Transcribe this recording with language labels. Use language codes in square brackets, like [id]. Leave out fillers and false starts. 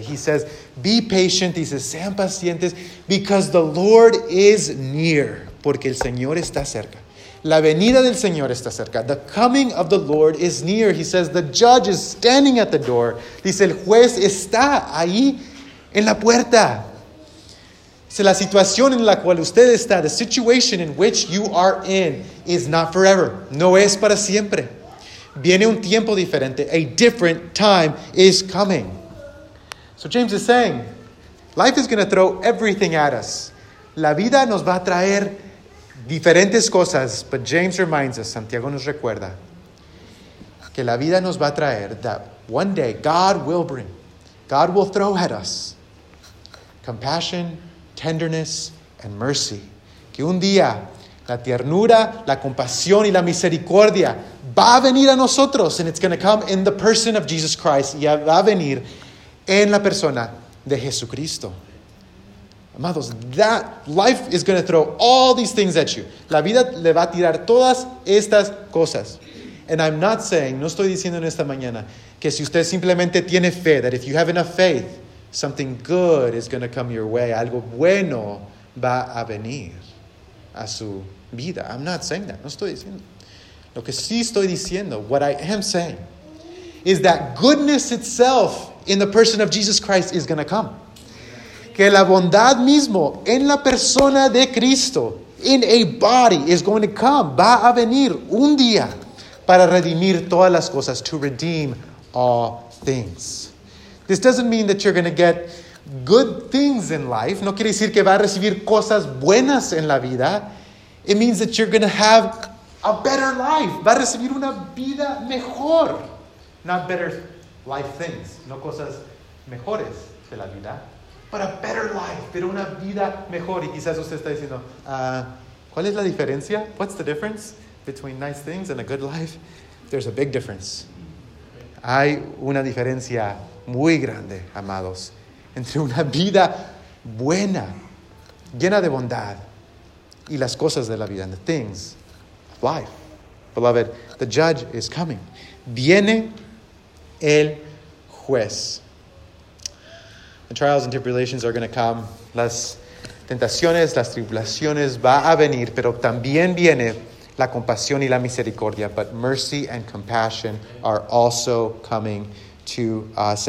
[en] He says, be patient. He says, [es] sean pacientes [en] because the Lord is near. [es] Porque el Señor está cerca. La venida del Señor está cerca. [en] The coming of the Lord is near. He says, the judge is standing at the door. [es] Dice, el juez está ahí en la puerta. Dice, la situación en la cual usted está, [en] the situation in which you are in, is not forever. [es] No es para siempre. Viene un tiempo diferente. [en] A different time is coming. So James is saying, life is going to throw everything at us. [es] La vida nos va a traer diferentes cosas, [en] but James reminds us, [es] Santiago nos recuerda, que la vida nos va a traer, [en] that one day God will bring, God will throw at us compassion, tenderness, and mercy. [es] Que un día la ternura, la compasión y la misericordia va a venir a nosotros, [en] and it's going to come in the person of Jesus Christ, [es] y va a venir en la persona de Jesucristo. [en] Amados, that life is going to throw all these things at you. [es] La vida le va a tirar todas estas cosas. [en] And I'm not saying, [es] no estoy diciendo en esta mañana, que si usted simplemente tiene fe, [en] that if you have enough faith, something good is going to come your way. [es] Algo bueno va a venir a su vida. [en] I'm not saying that. [es] No estoy diciendo. Lo que sí estoy diciendo, [en] what I am saying, is that goodness itself in the person of Jesus Christ is going to come. [es] Que la bondad mismo en la persona de Cristo, [en] in a body, is going to come. [es] Va a venir un día para redimir todas las cosas, [en] to redeem all things. This doesn't mean that you're going to get good things in life. [es] No quiere decir que va a recibir cosas buenas en la vida. [en] It means that you're going to have a better life. [es] Va a recibir una vida mejor. [en] Not better life things. [es] No cosas mejores de la vida. [en] But a better life. [es] Pero una vida mejor. Y quizás usted está diciendo, ¿cuál es la diferencia? [en] What's the difference between nice things and a good life? There's a big difference. [es] Hay una diferencia muy grande, amados, entre una vida buena, llena de bondad, y las cosas de la vida, [en] and the things of life. Beloved, the judge is coming. [es] Viene el juez. [en] The trials and tribulations are going to come. [es] Las tentaciones, las tribulaciones va a venir, pero también viene la compasión y la misericordia. [en] But mercy and compassion are also coming to us.